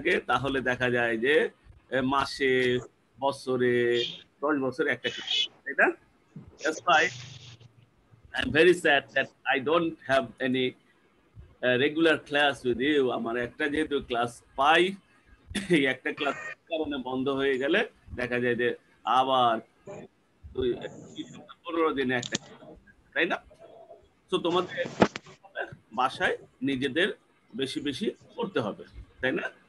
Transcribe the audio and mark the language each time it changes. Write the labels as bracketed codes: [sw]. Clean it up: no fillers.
[bn] তাহলে দেখা যায় যে মাসে বছরে 10 বছরে একটা ক্লাস, তাই না? [en] That's why I'm very sad that I don't have any regular class with you. [bn] আমার একটা যেহেতু ক্লাস পাই, এই একটা ক্লাস কারণে বন্ধ হয়ে গেলে দেখা যায় যে আবার 15 দিনে একটা, তাই না? তো তোমাদের বাসায় নিজেদের বেশি বেশি করতে হবে, তাই না?